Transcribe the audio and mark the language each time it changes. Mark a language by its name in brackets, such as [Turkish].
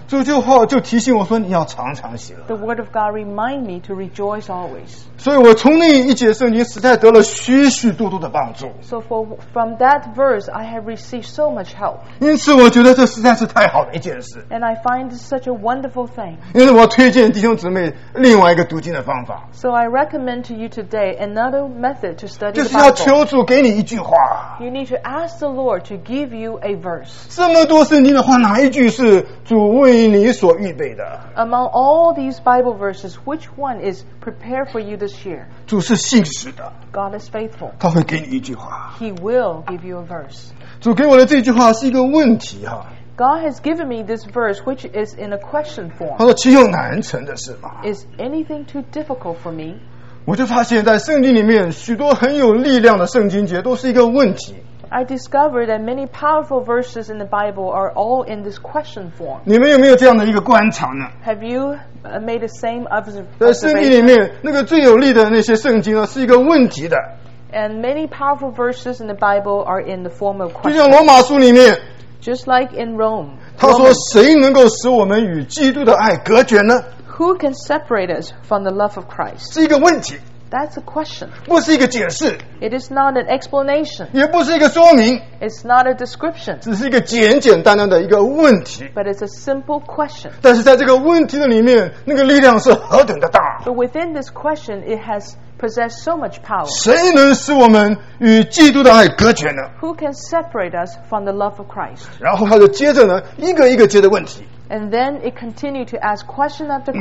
[Chinese] 主就好就提醒我说你要常常喜乐。 [English] The word of God remind me to rejoice always. [Chinese] 所以我从那一节圣经实在得了许许多多的帮助。 [English] So from that verse, I have received so much help. [Chinese] 因此我觉得这实在是太好的一件事。 [English] And I find this such a wonderful thing. [Chinese] 因此我推荐弟兄姊妹另外一个读经的方法。 [English] So I recommend to you today another method to study the Bible. [Chinese] 就是要求主给你一句话。 [English] You need to ask the Lord to give you a verse. [Chinese] 这么多圣经的话哪一句是主为你所预备的 [English] Among all these Bible verses, which one is prepared for you this year? [Chinese] 主是信实的 [English] God is faithful. [Chinese] 他会给你一句话 [English] He will give you a verse. [Chinese] 主给我的这句话是一个问题、啊、 [English] God has given me this verse, which is in a question form. [Chinese] 他说岂有难成的事吗 [English] Is anything too difficult for me? [Chinese] 我就发现在圣经里面许多很有力量的圣经节都是一个问题 [English] I discovered that many powerful verses in the Bible are all in this question form. [Chinese] 你们有没有这样的一个观察呢 [English] Have you made the same observation? [Chinese] 在圣经里面，那个最有力的那些圣经呢，是一个问题的。 [English] And many powerful verses in the Bible are in the form of question. [Chinese] 就像罗马书里面。 [English] Just like in Rome. [Chinese] 他说：“谁能够使我们与基督的爱隔绝呢 [English] ？”Who can separate us from the love of Christ? [Chinese] 是一个问题。 [English] That's a question. [Chinese] 不是一个解释。 [English] It is not an explanation. [Chinese] 也不是一个说明。 [English] It's not a description. [Chinese] 只是一个简简单单的一个问题。 [English] But it's a simple question. [Chinese] 但是在这个问题的里面，那个力量是何等的大。 [English] But within this question, it has possessed so much power. [Chinese] 谁能使我们与基督的爱隔绝呢 [English] ？Who can separate us from the love of Christ? [Chinese] 然后他就接着呢，一个一个接着问题。 [English] And then it continued to ask question after question.